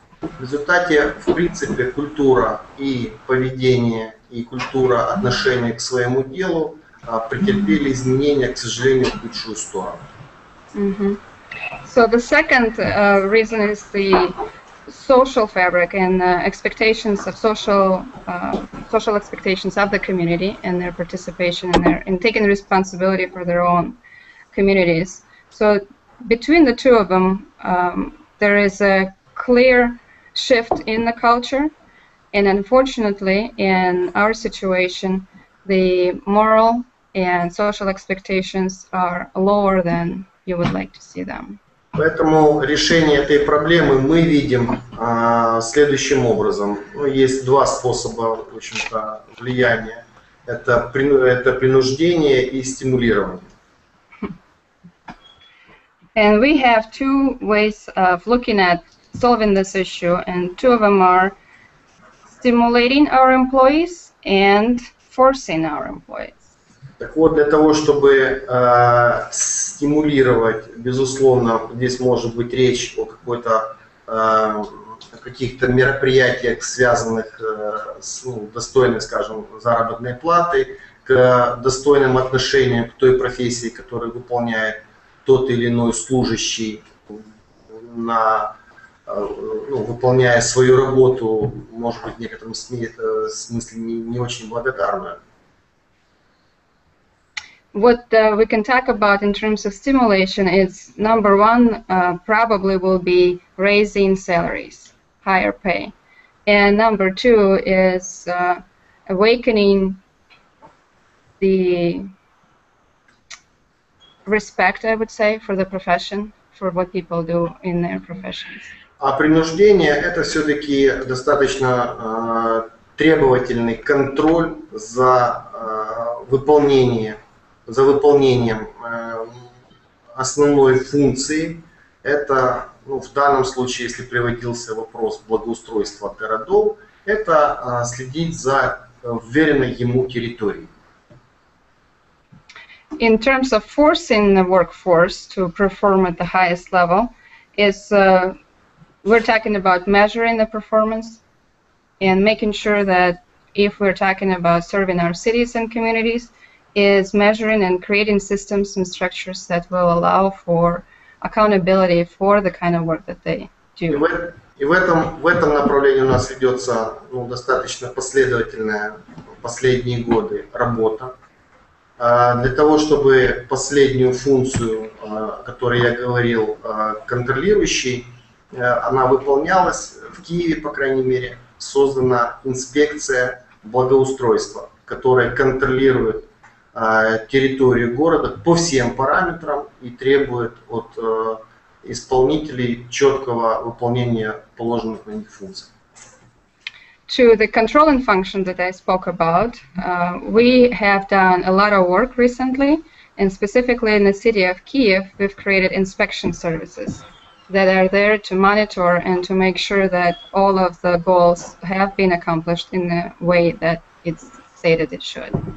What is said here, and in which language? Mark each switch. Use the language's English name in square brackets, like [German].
[Russian] В результате, в принципе, культура и поведение, и культура отношения к своему делу претерпели изменения, к сожалению, в худшую сторону. [English] So the second reason is the social fabric and expectations of social expectations of the community and their participation in their and taking responsibility for their own communities. So between the two of them, there is a clear shift in the culture, and unfortunately, in our situation, the moral and social expectations are lower than you would like to see them. [Russian] Поэтому решение этой проблемы мы видим следующим образом. Ну, есть два способа, в общем-то, влияния. Это принуждение и стимулирование. [English] And we have two ways of looking at solving this issue, and two of them are stimulating our employees and forcing our employees. [Russian] Так вот, для того, чтобы стимулировать, безусловно, здесь может быть речь о какой-то каких-то мероприятиях, связанных с достойной, скажем, заработной платой, к достойным отношениям к той профессии, которую выполняет тот или иной служащий, на, ну, выполняя свою работу, может быть, в некотором смысле не очень благодарную. [English] What we can talk about in terms of stimulation is number one, probably will be raising salaries, higher pay. And number two is awakening the respect, I would say, for the profession, for what people do in their professions. [Russian] А принуждение – это все-таки достаточно требовательный контроль за выполнение. За выполнением основной функции, это, ну, в данном случае, если приводился вопрос благоустройства городов, это следить за вверенной ему территорией. [English] In terms of forcing the workforce to perform at the highest level, is we're talking about measuring the performance and making sure that if we're talking about serving our cities and communities, is measuring and creating systems and structures that will allow for accountability for the kind of work that they do. [Russian] И в этом направлении у нас ведется, ну, достаточно последовательная последние годы работа. Для того, чтобы последнюю функцию, о которой я говорил, контролирующий, она выполнялась, в Киеве, по крайней мере, создана инспекция благоустройства, которая контролирует территорию города по всем параметрам и требует от исполнителей четкого выполнения положенных на них функций. [English] To the controlling function that I spoke about, we have done a lot of work recently, and specifically in the city of Kyiv, we've created inspection services that are there to monitor and to make sure that all of the goals have been accomplished in the way that it's stated it should.